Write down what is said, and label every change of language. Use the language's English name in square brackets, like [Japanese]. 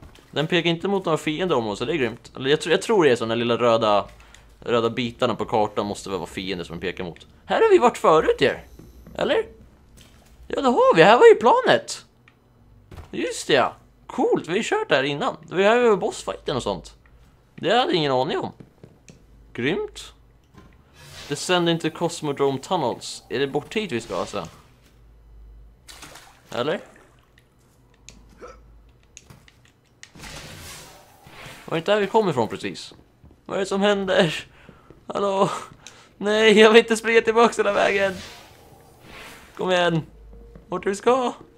[Swedish] Den pekar inte mot några fiender om oss, så det är grymt. Jag tror det är så, den lilla röda bitarna på kartan måste väl vara fiender som den pekar mot. Här har vi varit förut, er. Eller? Ja, det har vi. Här var ju planet. Just det, ja. Coolt, vi har ju kört här innan. Vi har ju bossfighten och sånt. Det hade ingen aning om. Grymt. [English] Descend into Cosmodrome Tunnels. [Swedish] Är det bort hit vi ska, alltså? Eller? Var inte där vi kommer ifrån precis? Vad är det som händer? Hallå? Nej, jag vill inte springa tillbaka den här vägen! Kom igen! Vart du ska?